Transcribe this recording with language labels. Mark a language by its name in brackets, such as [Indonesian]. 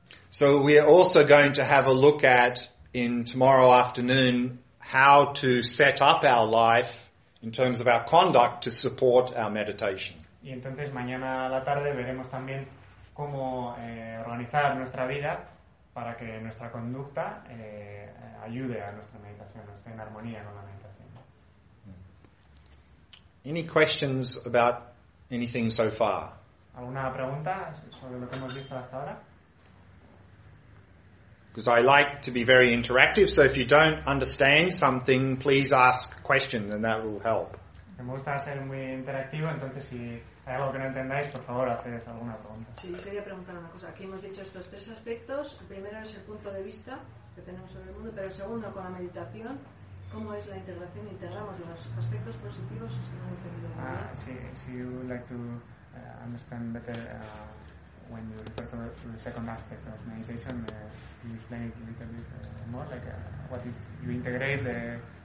[English] So we are also going to have a look at in tomorrow afternoon how to set up our life in terms of our conduct to support our meditation. [Spanish] Y entonces mañana a la tarde veremos también cómo organizar nuestra vida para que nuestra conducta ayude a nuestra meditación, esté en armonía con la meditación. [English] Any questions about anything so far? [Spanish] ¿Alguna pregunta sobre lo que hemos visto hasta ahora? [English] Because I like to be very interactive, so if you don't understand something, please ask questions and that will help. [Spanish] Me gusta ser muy interactivo, entonces si hay algo que no entendáis, por favor, haced alguna pregunta. Sí, quería preguntar una cosa. Aquí hemos dicho estos tres aspectos. El primero es el punto de vista que tenemos sobre el mundo, pero el segundo con la meditación, ¿cómo es la integración? ¿Integramos los aspectos positivos? Sí, si [English] you would like to understand better when you refer to the second aspect of meditation, can you explain it a little bit more? Like, what is, you integrate the